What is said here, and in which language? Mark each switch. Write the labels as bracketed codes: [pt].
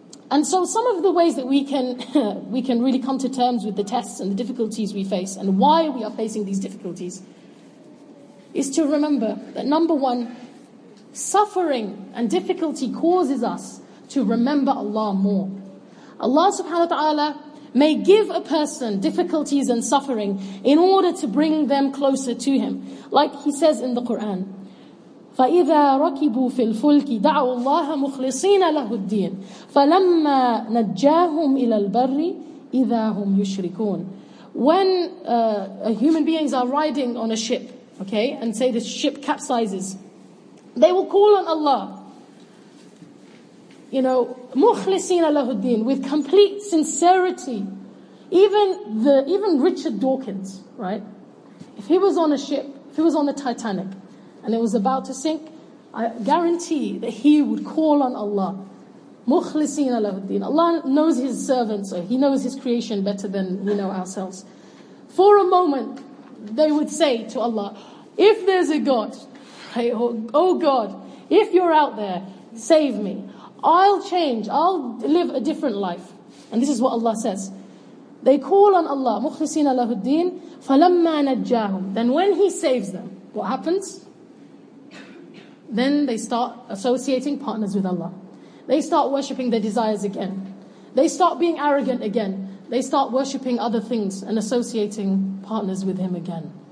[en] And so some of the ways that we can really come to terms with the tests and the difficulties we face and why we are facing these difficulties is to remember that, number one, suffering and difficulty causes us to remember Allah more. Allah subhanahu wa ta'ala may give a person difficulties and suffering in order to bring them closer to Him. Like He says in the Quran, [ar] فَإِذَا رَكِبُوا فِي الْفُلْكِ دَعُوا اللَّهَ مُخْلِصِينَ لَهُ الدِّينَ فَلَمَّا نَجَّاهُمْ إِلَى الْبَرِّ إِذَا هُمْ يُشْرِكُونَ. [en] When human beings are riding on a ship, okay, and say the ship capsizes, they will call on Allah, you know, [ar] مُخْلِصِينَ لَهُ الدِّينَ, [en] with complete sincerity. Even Richard Dawkins, right, if he was on a ship, if he was on the Titanic, and it was about to sink, I guarantee that he would call on Allah. [ar] مُخْلِصِينَ لَهُ الدِّينَ. [en] Allah knows His servants, so He knows His creation better than we know ourselves. For a moment, they would say to Allah, if there's a God, oh God, if You're out there, save me. I'll change, I'll live a different life. And this is what Allah says. They call on Allah, [ar] مُخْلِصِينَ لَهُ الدِّينَ, فَلَمَّا نَجَّاهُمْ. [en] Then when He saves them, what happens? Then they start associating partners with Allah. They start worshipping their desires again. They start being arrogant again. They start worshipping other things and associating partners with Him again.